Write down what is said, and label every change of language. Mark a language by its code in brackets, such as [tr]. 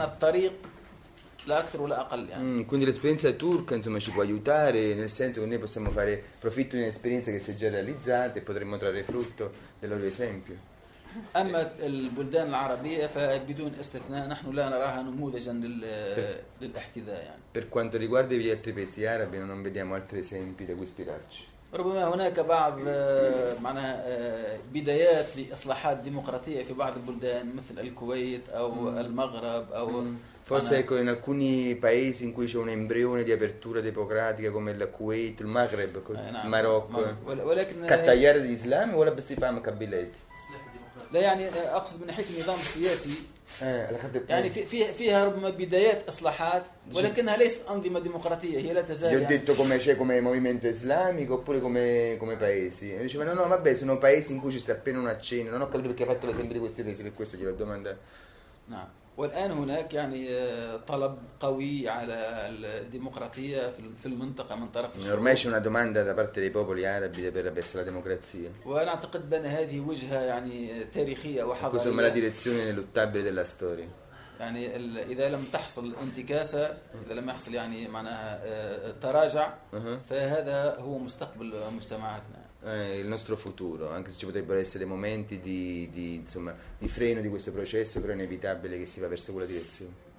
[it] Quindi l'esperienza turca insomma ci può aiutare nel senso che noi possiamo fare profitto di un'esperienza che si è già realizzata e potremmo trarre frutto del loro esempio. [ar] أما البلدان العربية فبدون استثناء نحن لا نراها نموذجا للاحتذاء يعني. [it] Per quanto riguarda gli altri paesi arabi non vediamo altri esempi da cui ispirarci. [ar] ربما هناك بعض معناها بدايات لإصلاحات ديمقراطية في بعض البلدان مثل الكويت أو المغرب أو. [it] Forse ecco in alcuni paesi in cui c'è un embrione di apertura democratica come il Kuwait, il Maghreb, il Marocco. [ar] كتغيير الإسلام ولا بس يفهم كابيلات. لا يعني أقصد من ناحية النظام السياسي يعني فيها ربما بدايات إصلاحات ولكنها ليست أنظمة ديمقراطية هي لا تزال. [it] Io ho detto come c'è come movimento islamico oppure come paesi. E diceva no vabbè sono paesi in cui ci sta appena un accenno. Non ho capito perché ha fatto l'esempio di questi paesi per questo glielo domanda. [ar] والآن هناك يعني طلب قوي على الديمقراطية في المنطقة من طرف الشعوب. [it] Ormai c'è una domanda da parte dei popoli arabi per la democrazia. [ar] وأنا أعتقد بأن هذه وجهة يعني تاريخية وحضارية. [it] Questa è una direzione ineluttabile della storia. [ar] يعني إذا لم تحصل انتكاسة إذا لم يحصل يعني معناها تراجع فهذا هو مستقبل مجتمعاتنا. [it] Il nostro futuro, anche se ci potrebbero essere momenti di insomma di freno di questo processo, però è inevitabile che si va verso quella direzione.